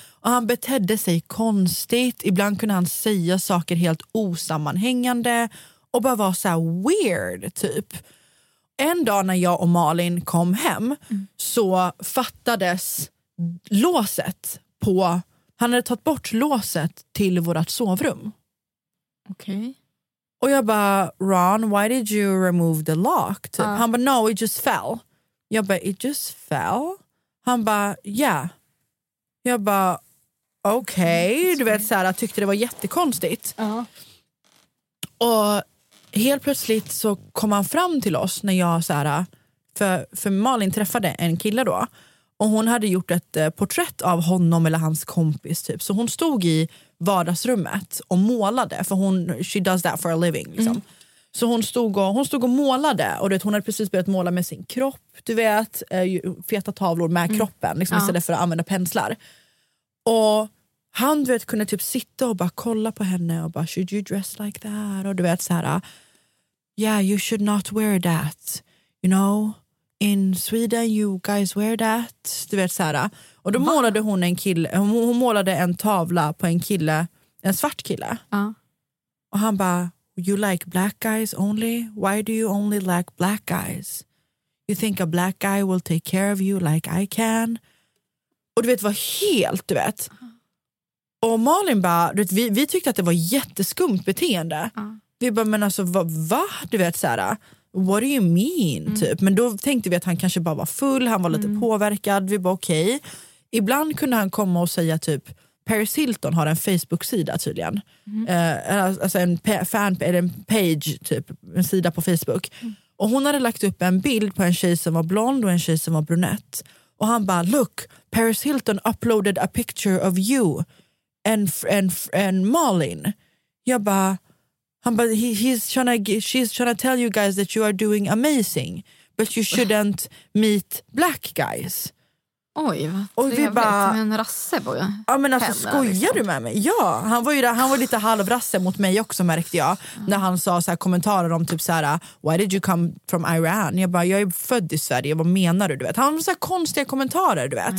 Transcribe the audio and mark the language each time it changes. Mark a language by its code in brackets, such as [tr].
[sv] Och han betedde sig konstigt. Ibland kunde han säga saker helt osammanhängande. Och bara vara så här weird typ. En dag när jag och Malin kom hem, mm, så fattades låset på... Han hade tagit bort låset till vårat sovrum. Okej. [en] Okay. [sv] Och jag bara, [en] Ron, why did you remove the lock? [sv] Typ. Han bara, [en] no, it just fell. [sv] Jag bara, [en] it just fell? [sv] Han bara, [en] yeah. [sv] Jag bara, okej. Okay. Du vet, så här, jag tyckte det var jättekonstigt. Uh-huh. Och helt plötsligt så kom han fram till oss när jag så här, för Malin träffade en kille då. Och hon hade gjort ett porträtt av honom eller hans kompis typ. Så hon stod i vardagsrummet och målade. För hon, [en] she does that for a living [sv] liksom. Mm. Så hon stod och målade. Och du vet, hon hade precis börjat måla med sin kropp. Du vet, feta tavlor med kroppen. Liksom, ja. Istället för att använda penslar. Och han, du vet, kunde typ sitta och bara kolla på henne. Och bara, [en] should you dress like that? [sv] Och du vet så här, [en] yeah, you should not wear that. You know, in Sweden you guys wear that. [sv] Du vet så här. Och då målade hon en kille. Hon målade en tavla på en kille. En svart kille. Ja. Och han bara, [en] you like black guys only? Why do you only like black guys? You think a black guy will take care of you like I can? [sv] Och du vet, var helt, du vet. Och Malin bara, du vet, vi tyckte att det var jätteskumt beteende. Vi bara, men alltså, va? Du vet, så här, [en] what do you mean? [sv] Mm. Typ. Men då tänkte vi att han kanske bara var full, han var lite påverkad. Vi bara, okej. Okay. Ibland kunde han komma och säga typ, Paris Hilton har en Facebook-sida tydligen. Mm. Alltså en fan, eller en page typ, en sida på Facebook. Mm. Och hon hade lagt upp en bild på en tjej som var blond och en tjej som var brunett. Och han bara, [en] look, Paris Hilton uploaded a picture of you and Malin. [sv] Jag bara, [en] she's trying to tell you guys that you are doing amazing, but you shouldn't meet black guys. [sv] Oj, vad trevligt med en rasse på henne. Ja, men alltså, skojar du med mig? Ja, han var ju där, han var lite halvrasse mot mig också, märkte jag. Ja. När han sa så här kommentarer om typ så här, [en] why did you come from Iran? [sv] Jag bara, jag är född i Sverige, vad menar du? Du vet? Han hade så här konstiga kommentarer, du vet.